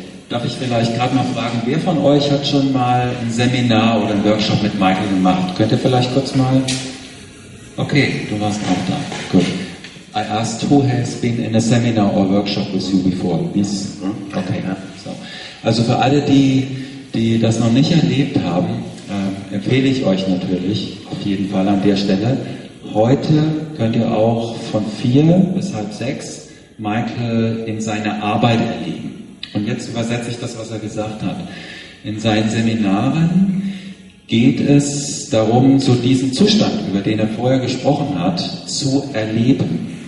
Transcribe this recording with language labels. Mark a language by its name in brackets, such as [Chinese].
[German] Darf ich vielleicht gerade mal fragen, wer von euch hat schon mal ein Seminar oder einen Workshop mit Michael gemacht? Könnt ihr vielleicht kurz mal? Okay, du warst auch da. Gut. [English] I asked who has been in a seminar or workshop with you before. Yes. Okay. So. [German] Also für alle, die das noch nicht erlebt haben, empfehle ich euch natürlich auf jeden Fall an der Stelle. Heute könnt ihr auch von 4 bis 5:30 Michael in seine Arbeit erleben. Und jetzt übersetze ich das, was er gesagt hat. In seinen Seminaren geht es darum, so diesen Zustand, über den er vorher gesprochen hat, zu erleben.